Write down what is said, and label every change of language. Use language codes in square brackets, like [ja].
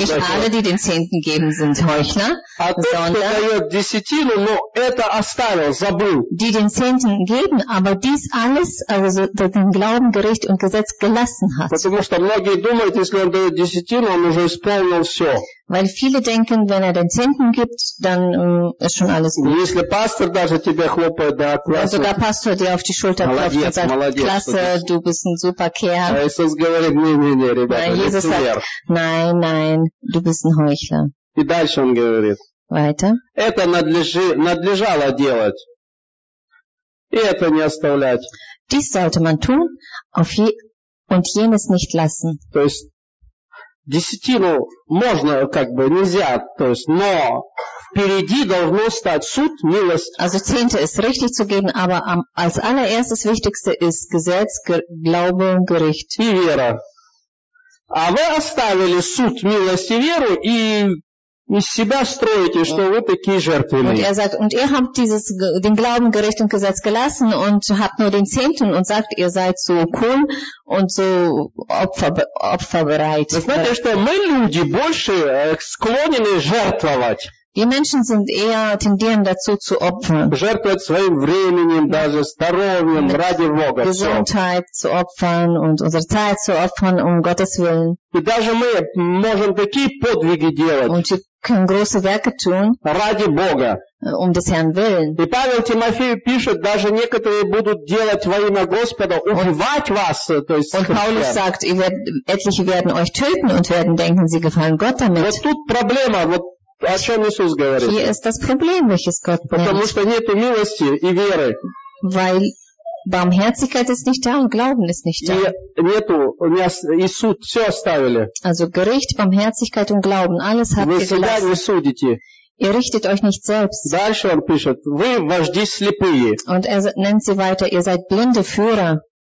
[de] Nicht alle, die den Zehnten geben, sind Heuchler. [ru] А тот, [de] sondern, [ru] кто дает десятину, но это оставил, забыл. [de] Die den Zehnten geben, aber dies alles, also den Glauben, Gericht und Gesetz gelassen hat. [ru] Потому что многие думают, если он дает десятину, он уже исполнил все. [de] Weil viele denken, wenn er den Zehnten gibt, dann ist schon alles gut. [ru] Если пастор даже тебе хлопает, да, класс. [de] Wenn sogar Pastor dir auf die Schulter klopft und sagt, [ru] молодец, [de] klasse, du bist ein super Kerl. [ru] А Иисус говорит, не, ребята, [de] Jesus sagt, nein, nein, du bist ein Heuchler. [ru] И дальше он говорит. [de] Weiter. [ru] Это надлежало делать. И это не оставлять. [de] Dies sollte man tun auf und jenes nicht lassen. [ru] То есть, десятину можно, как бы, нельзя, то есть, но впереди должно стать суд, милость. [de] Also Zehnte ist richtig zu geben, aber als allererstes Wichtigste ist Gesetz, Glaube und Gericht. [ru] И вера. А вы оставили суд, милость и веру и из себя строите, что вы такие жертвенные. [de] Und er sagt, und ihr habt dieses, den Glauben, Gericht und Gesetz gelassen und habt nur den Zehnten und sagt, ihr seid so cool und so opferbereit. [ru] Вы знаете, что мы люди больше склонены жертвовать. [de] Die Menschen sind eher tendieren dazu zu opfern. [ru] Жертвовать своим временем, даже здоровьем, ради Бога. [de] Gesundheit zu opfern und unsere Zeit zu opfern, um Gottes Willen. [ru] И даже мы можем такие подвиги делать. [de] Und wir können große Werke tun. [ru] Ради Бога. [de] Um des Herrn Willen. [ru] И Павел Тимофею пишет, даже некоторые будут делать во имя Господа, убивать вас, то есть. [de] Und Paulus sagt, etliche werden euch töten und werden denken, sie gefallen Gott damit. [ru] Вот тут проблема, вот о чем Иисус говорит? [de] Hier ist das Problem, welches Gott nennt. [ru] Потому что нету милости и веры. [de] Weil Barmherzigkeit ist nicht da und Glauben ist nicht da. [ru] Нету, Иисус, все оставили. [de] Also Gericht, Barmherzigkeit und Glauben, alles habt ihr gelassen. [ru] Вы себя не судите. [de] Ihr richtet euch nicht selbst. [ru] Дальше он пишет, вы вожди слепые. [de] Und er nennt sie weiter, ihr seid blinde Führer.